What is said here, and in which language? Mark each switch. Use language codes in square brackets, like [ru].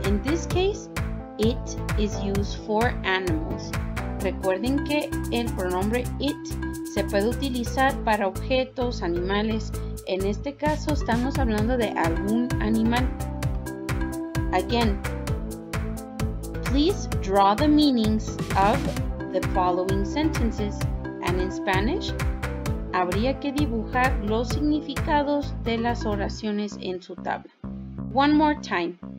[en] In this case, it is used for animals. [es] Recuerden que el pronombre it se puede utilizar para objetos, animales. En este caso, estamos hablando de algún animal. [en] Again, please draw the meanings of the following sentences. And in Spanish, [es] habría que dibujar los significados de las oraciones en su tabla. [en] One more time.